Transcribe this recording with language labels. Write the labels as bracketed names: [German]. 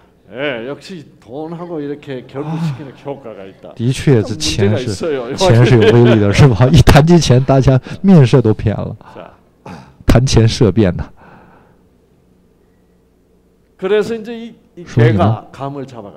[Korean] 네, 역시 돈하고 이렇게 결부시키는 효과가 있다. [Chinese] 的确，这钱是有威力的，是吧？一谈及钱，大家面色都变了。谈钱色变的。 [Korean] 그래서 이제 이 감을 잡아가.